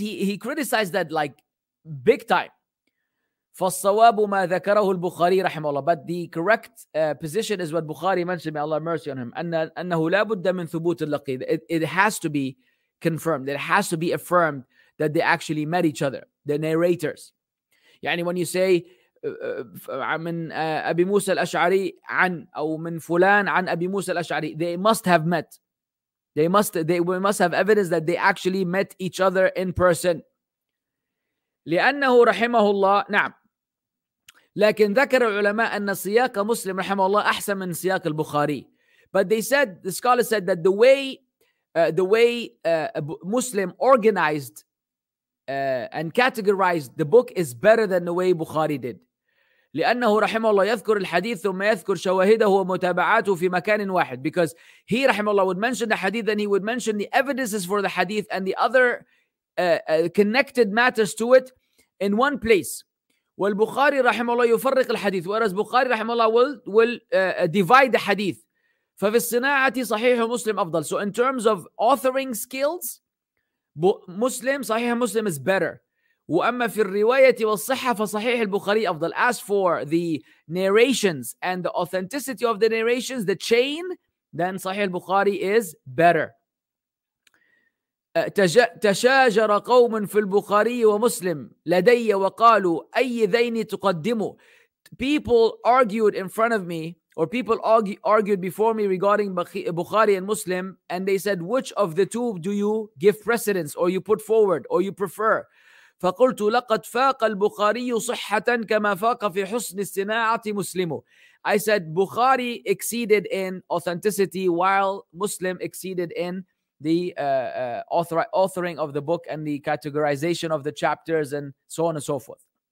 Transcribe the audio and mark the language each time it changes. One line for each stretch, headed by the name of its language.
English: He criticized that like big time.
Arabic: فَالصَّوَابُ مَا ذَكَرَهُ الْبُخَارِي رَحِمَ اللَّهِ.
English: But the correct position is what Bukhari mentioned, may Allah mercy on him,
Arabic: أَنَّهُ لَا بُدَّ مِنْ ثُبُوتِ اللَّقِي.
English: It has to be confirmed. It has to be affirmed that they actually met each other, the narrators.
Arabic: يعني
English: when you say
Arabic: من أبي موسى الأشعري عن أو من فلان عن أبي موسى الأشعري,
English: they must have met. We must have evidence that they actually met each other in person.
Arabic: لأنه رحمه الله نعم. لكن ذكر العلماء أن سياق مسلم رحمه الله أحسن من سياق البخاري.
English: But they said, the scholars said that the way Muslim organized and categorized the book is better than the way Bukhari did.
Arabic: لأنه رحمه الله يذكر الحديث ثم يذكر شواهده ومتابعاته في مكان واحد.
English: Because he
Arabic: رحمه الله
English: would mention the hadith and he would mention the evidences for the hadith and the other connected matters to it in one place.
Arabic: والبخاري رحمه الله يفرق الحديث,
English: whereas بخاري رحمه الله will divide the hadith.
Arabic: ففي الصناعة صحيح مسلم أفضل.
English: So in terms of authoring skills, مسلم صحيح مسلم is better.
Arabic: وأما في الرواية والصحة فصحيح البخاري أفضل.
English: As for the narrations and the authenticity of the narrations, the chain, then صحيح البخاري is better.
Arabic: تشاجر قوم في البخاري ومسلم لدي وقالوا أي ذين تقدموا.
English: People argued in front of me, or people argued before me regarding Bukhari and Muslim, and they said, which of the two do you give precedence, or you put forward, or you prefer?
Arabic: فقلت لقد فاق البخاري صحة كما فاق في حسن الصناعة مسلم.
English: I said Bukhari exceeded in authenticity while Muslim exceeded in the authoring of the book and the categorization of the chapters and so on and so forth.